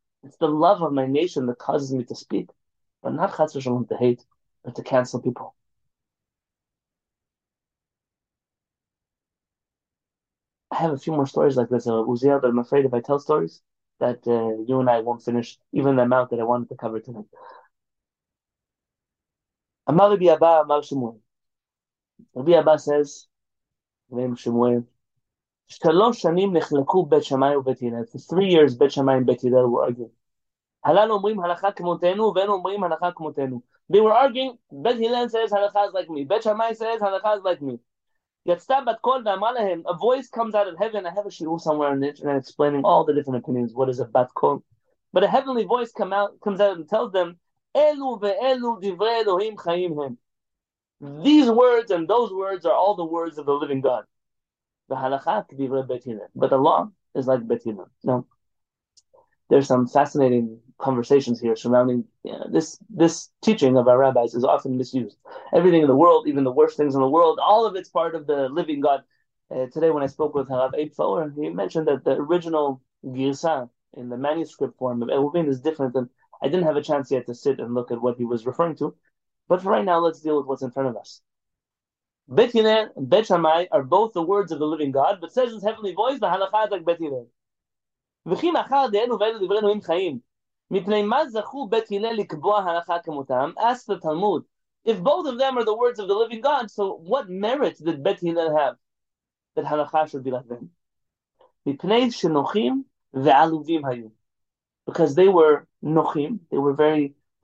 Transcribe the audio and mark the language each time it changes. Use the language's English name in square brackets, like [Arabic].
[English] It's the love of my nation that causes me to speak, but not chas v'shalom to hate or to cancel people. I have a few more stories like this, Uziel, but I'm afraid if I tell stories that you and I won't finish even the amount that I wanted to cover tonight. [Hebrew] Amar Rabbi Abba, Amar Shemuel. [English] Rabbi Abba says, [Hebrew] Rabbi Shemuel, שלוש שנים נחלקו בית שמאי ובית הלל. [English] For 3 years, בית שמאי ובית הלל were arguing. [Hebrew] הלל אומרים הלכה כמותנו, והם אומרים הלכה כמותנו. [English] They were arguing, בית הלל says הלכה is like me. בית שמאי says הלכה is like me. [Hebrew] יצתה בת קול ואמרה להם, [English] a voice comes out of heaven. I have a shiur somewhere on the internet explaining all the different opinions. What is a bat kol? But a heavenly voice comes out and tells them, [Hebrew] אלו ואלו דברי אלוהים חיים הם. [English] These words and those words are all the words of the living God. But the law is like Bet Hillel. Now, there's some fascinating conversations here surrounding, you know, this teaching of our rabbis is often misused. Everything in the world, even the worst things in the world, all of it's part of the living God. Today when I spoke with Harav Eitfauer, he mentioned that the original Girsa in the manuscript form of Eruvin is different, and I didn't have a chance yet to sit and look at what he was referring to. But for right now, let's deal with what's in front of us. Bet Hillel and Bet Shammai are both the words of the living God, but says his heavenly voice, [Hebrew] והלכה זה בית הלל. וכי מאחר דהינו ואלו דברי אלוהים חיים, מפני מה זכו בית הלל לקבוע הלכה כמותם? [English] Ask the Talmud, if both of them are the words of the living God, so what merit did Bet Hillel have that הלכה should be like them? [Hebrew] מפני שנוחים ועלובים היו. [English] Because they were נוחים, they were very